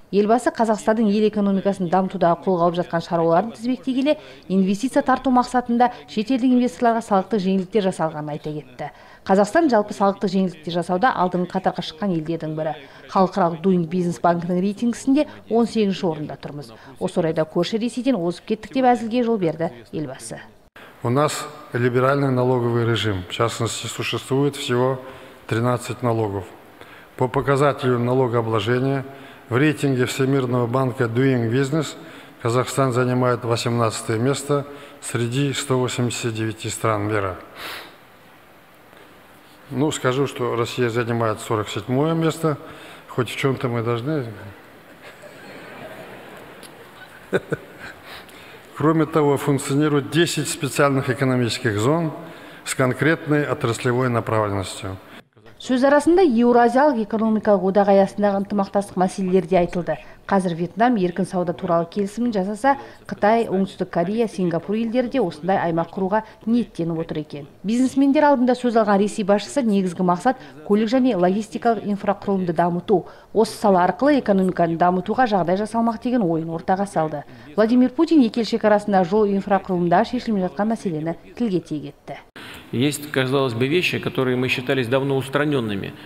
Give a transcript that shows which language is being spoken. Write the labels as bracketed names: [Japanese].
[Kazakh] Елбасы Қазақстанның ел экономикасын дамытудағы қолға алып жатқан шаруаларын тізбектей келе, инвестиция тарту мақсатында шетелдік инвесторларға салықтық жеңілдіктер жасалғанын айта кетті. Қазақстан жалпы салықтық жеңілдіктер жасауда алдыңғы қатарға шыққан елдердің бірі. Халықаралық Doing Business банкінің рейтингісінде 18-ші орында тұрмыз. Осы орайда көрші Ресейден озып кеттік деп әзілге жол берді елбасы. [Russian] У нас либеральный налоговый режим. В частности, существует всего 13 налогов. По показателю налогообложения в рейтинге Всемирного банка Doing Business Казахстан занимает 18 место среди 189 стран мира. Ну, скажу, что Россия занимает 47 место, хоть в чем-то мы должны. Кроме того, функционируют 10 специальных экономических зон с конкретной отраслевой направленностью. [Kazakh] Сөз арасында Еуразиялық экономикалық одақ аясындағы ынтымақтастық мәселелері де айтылды. Қазір Вьетнам еркін сауда туралы келісімін жасаса, Қытай, Оңтүстік Корея, Сингапур елдері де осындай аймақ құруға ниеттеніп отыр екен. Бизнесмендер алдында сөз алған Ресей басшысы негізгі мақсат көлік және логистикалық инфрақұрылымды дамыту. Осы сала арқылы экономиканы дамытуға жағдай жасалмақ деген ойын ортаға салды. Владимир Путин екі ел шекарасында жол инфрақұрылымында шешілмей жатқан мәселені тілге тиек етті. [Russian] Есть, казалось бы, вещи, которые мы считались давно устраненными.